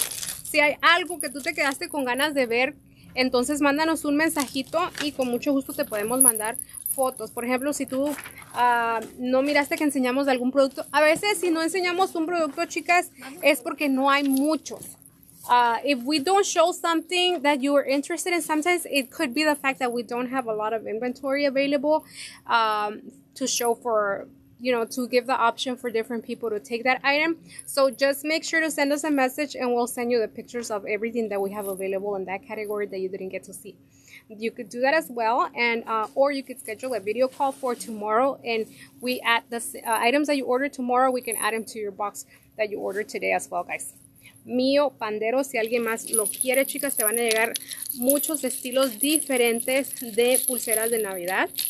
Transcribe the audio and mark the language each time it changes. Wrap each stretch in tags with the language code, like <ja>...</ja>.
<es>Si hay algo que tú te quedaste con ganas de ver, entonces mándanos un mensajito y con mucho gusto te podemos mandar fotos. Por ejemplo, si tú no miraste que enseñamos de algún producto, a veces si no enseñamos un producto, chicas, es porque no hay muchos.</es> <en>If we don't show something that you are interested in, sometimes it could be the fact that we don't have a lot of inventory available to show for, you know, to give the option for different people to take that item. So just make sure to send us a message and we'll send you the pictures of everything that we have available in that category that you didn't get to see. You could do that as well, and or you could schedule a video call for tomorrow, and we add the items that you order tomorrow, we can add them to your box that you ordered today as well, guys.</en> <es>Mio pandero, si alguien más lo quiere, chicas, te van a llegar muchos estilos diferentes de pulseras de Navidad.</es>